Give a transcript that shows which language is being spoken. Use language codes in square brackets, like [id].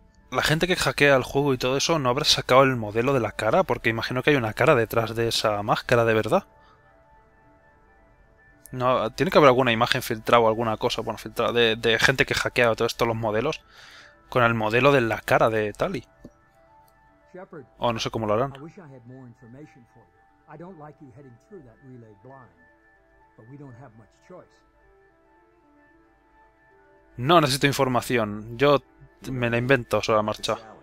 [es] La gente que hackea el juego y todo eso, ¿no habrá sacado el modelo de la cara? Porque imagino que hay una cara detrás de esa máscara de verdad. No, tiene que haber alguna imagen filtrada o alguna cosa, bueno, filtrada, de gente que hackea todos estos los modelos con el modelo de la cara de Tali. [en] Shepard, [es] O no sé cómo lo harán. [en] I wish I had more information for you. I don't like you heading through that relay blind, but we don't have much choice. [es] No necesito información, yo me la invento sobre la marcha.